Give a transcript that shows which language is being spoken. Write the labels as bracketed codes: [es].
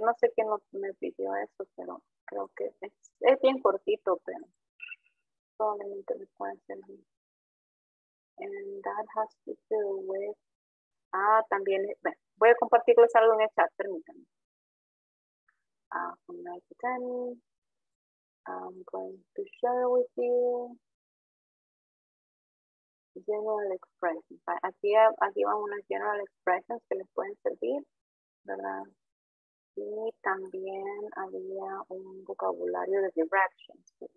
[es] No sé quién me pidió eso, pero creo que es bien cortito, pero solamente les pueden servir. [en] And that has to do with. [es] Ah, también. Bueno, voy a compartirles algo en el chat, permítanme. [en] I'm going to share with you general expressions. [es] Aquí van unas general expressions que les pueden servir, ¿verdad? Y también había un vocabulario de directions.